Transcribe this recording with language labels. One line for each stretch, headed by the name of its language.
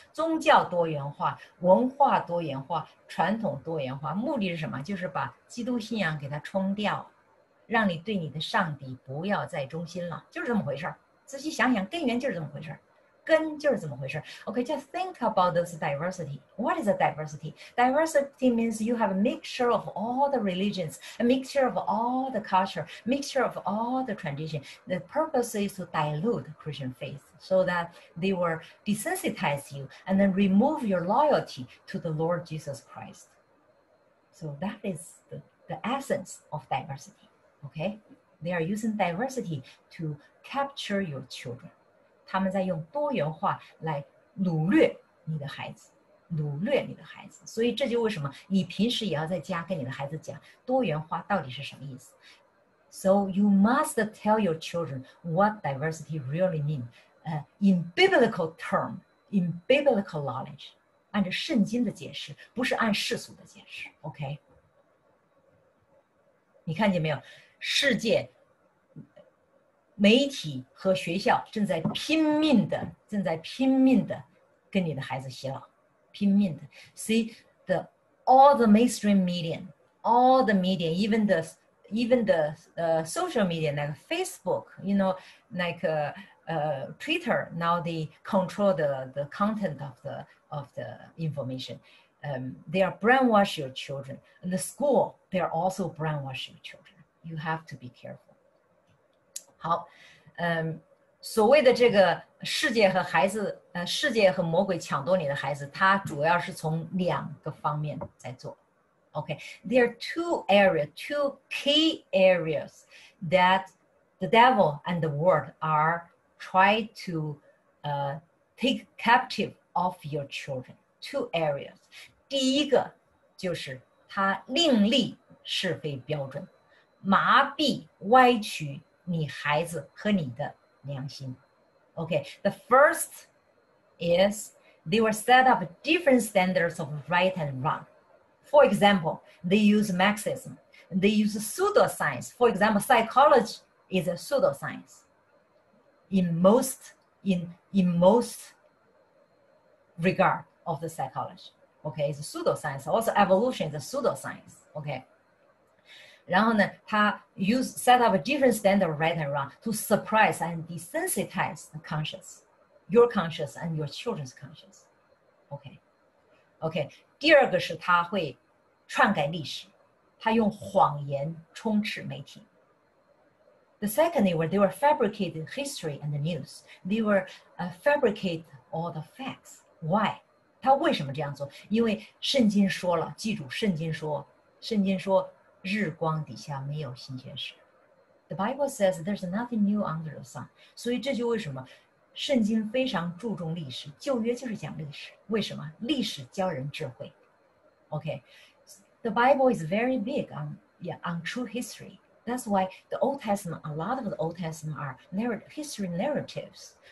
Chinese: 宗教多元化，文化多元化，传统多元化，目的是什么？就是把基督信仰给它冲掉，让你对你的上帝不要再忠心了，就是这么回事。仔细想想，根源就是这么回事，根就是怎么回事。
English: OK, just think about this diversity. What is a diversity? Diversity means you have a mixture of all the religions, a mixture of all the culture, mixture of all the tradition. The purpose is to dilute Christian faith so that they will desensitize you and then remove your loyalty to the Lord Jesus Christ. So that is the essence of diversity. OK, they are using diversity to capture your children.
Chinese: 他们在用多元化来掳掠你的孩子，掳掠你的孩子。所以这就为什么你平时也要在家跟你的孩子讲多元化到底是什么意思。
English: So you must tell your children what diversity really means, in biblical term, in biblical knowledge,
Chinese: 按照圣经的解释，不是按世俗的解释。 OK, 你看见没有？世界。媒体和学校正在拼命的，正在拼命的跟你的孩子洗脑，拼命的。
English: See the all the mainstream media, all the media, even the social media like Facebook, you know, like Twitter. Now they control the content of the information. They are brainwash your children. And the school, they are also brainwash your children. You have to be careful.
Chinese: 好，所谓的这个世界和孩子，世界和魔鬼抢夺你的孩子，它主要是从两个方面在做。
English: OK, there are two areas, two key areas that the devil and the world are trying to take captive of your children. Two areas.
Chinese: 第一个就是他另立是非标准，麻痹歪曲。你孩子和你的良心 ，OK.
English: The first is they will set up different standards of right and wrong. For example, they use Marxism. They use pseudoscience. For example, psychology is a pseudoscience. In most regard of the psychology, OK, it's a pseudoscience. Also, evolution is a pseudoscience. OK.
Chinese: 然后呢，他
English: use set up a different standard right and wrong to surprise and desensitize the conscious, your conscious and your children's conscious. Okay, okay.
Chinese: 第二个是他会篡改历史，他用谎言充斥媒体。
English: The second is where they will fabricate history and the news. They will fabricate all the facts. Why?
Chinese: 他为什么这样做？因为圣经说了，记住，圣经说。日光底下没有新鲜事。 The Bible says there's nothing new under the sun. 所以这就为什么圣经非常注重历史。旧约就是讲历史。为什么？历史教人智慧。Okay.
English: The Bible is very big on true history. That's why the Old Testament, a lot of the Old Testament are history narratives.